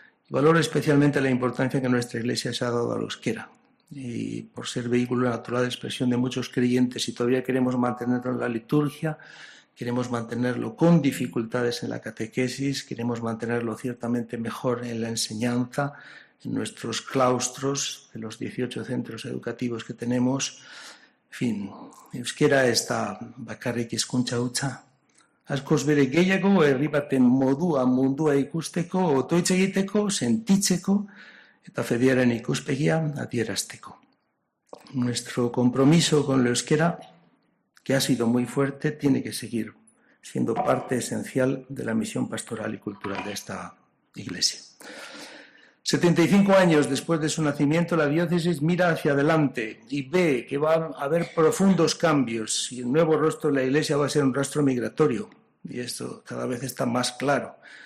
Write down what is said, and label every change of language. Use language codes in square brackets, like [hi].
[es] Valoro especialmente la importancia que nuestra Iglesia se ha dado a los quiera, y por ser vehículo natural de expresión de muchos creyentes, y todavía queremos mantenerlo en la liturgia, queremos mantenerlo con dificultades en la catequesis, queremos mantenerlo ciertamente mejor en la enseñanza, en nuestros claustros, en los 18 centros educativos que tenemos. En fin, [eu] euskera ez da bakarrik hizkuntza hutsa. Askoz bere gehiago herri baten modua mundua ikusteko, otoitz egiteko, sentitzeko eta fediaren ikuspegia adierazteko. [es] Nuestro compromiso con la euskera, que ha sido muy fuerte, tiene que seguir siendo parte esencial de la misión pastoral y cultural de esta iglesia. 75 años después de su nacimiento, la diócesis mira hacia adelante y ve que va a haber profundos cambios y el nuevo rostro de la Iglesia va a ser un rostro migratorio, y esto cada vez está más claro.